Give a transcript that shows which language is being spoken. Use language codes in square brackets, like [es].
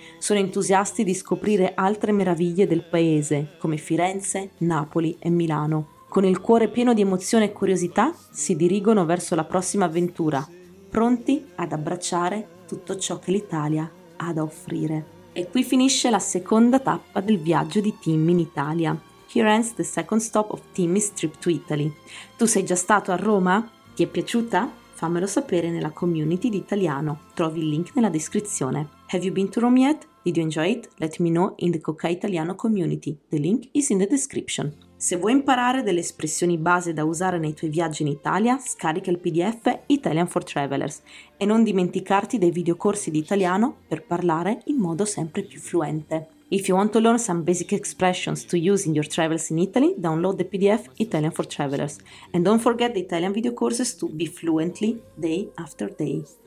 [it] Sono entusiasti di scoprire altre meraviglie del paese, come Firenze, Napoli e Milano. Con il cuore pieno di emozione e curiosità, si dirigono verso la prossima avventura, pronti ad abbracciare tutto ciò che l'Italia ha da offrire. E qui finisce la seconda tappa del viaggio di Timmy in Italia. [en] Here ends the second stop of Timmy's trip to Italy. [it] Tu sei già stato a Roma? Ti è piaciuta? Fammelo sapere nella community di italiano. Trovi il link nella descrizione. [en] Have you been to Rome yet? Did you enjoy it? Let me know in the Coca Italiano community. The link is in the description. [it] Se vuoi imparare delle espressioni base da usare nei tuoi viaggi in Italia, scarica il PDF Italian for Travelers e non dimenticarti dei videocorsi di italiano per parlare in modo sempre più fluente. [en] If you want to learn some basic expressions to use in your travels in Italy, download the PDF Italian for Travelers. And don't forget the Italian video courses to be fluently day after day.